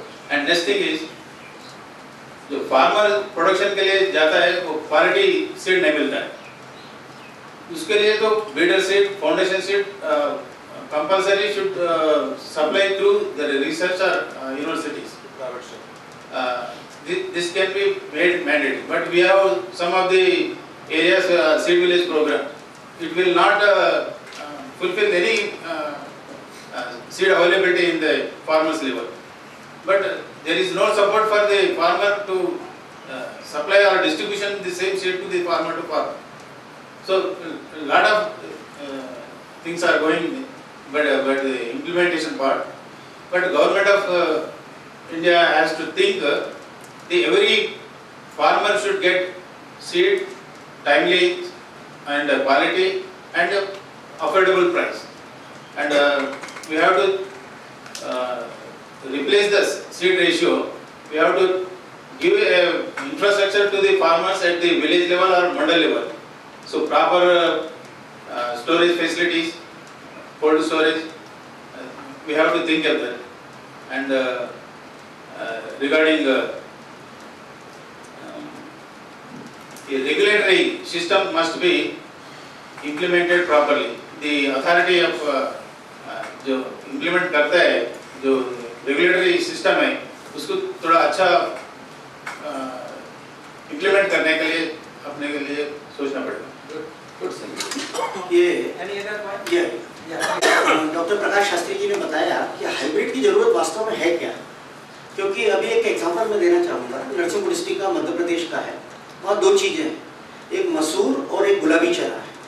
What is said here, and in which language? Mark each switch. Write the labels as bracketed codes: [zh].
[en] and next thing is [hi] जो [en] farmer production [hi] के लिए जाता है वो [en] quality seed [hi] नहीं मिलता है, उसके लिए तो [en] Breeder seed, foundation seed compulsory should supply through the research और universities. This can be made mandatory, but we have some of the areas seed village programme, it will not fulfil any seed availability in the farmers level, बट there is no support for the farmer to supply or distribution the same seed to the farmer to farm. So lot of things are going, but the implementation part. But government of India has to think the every farmer should get seed timely and quality and affordable price. And we have to replace the seed ratio. We have to give a infrastructure to the farmers at the village level or mandal level. So proper storage facilities, cold storage, we have to think of that. And regarding the regulatory system must be implemented properly. The authority of [hi] जो implement करता है जो regulatory system है उसको थोड़ा अच्छा implement करने के लिए अपने के लिए सोचना पड़ेगा। ये डॉक्टर प्रकाश शास्त्री जी ने बताया कि हाइब्रिड की जरूरत वास्तव में है क्या, क्योंकि अभी एक एग्जांपल मैं देना चाहूंगा, नरसिंहपुर डिस्ट्रिक्ट का मध्य प्रदेश का है, वहाँ दो चीजें, एक मसूर और एक गुलाबी चना है,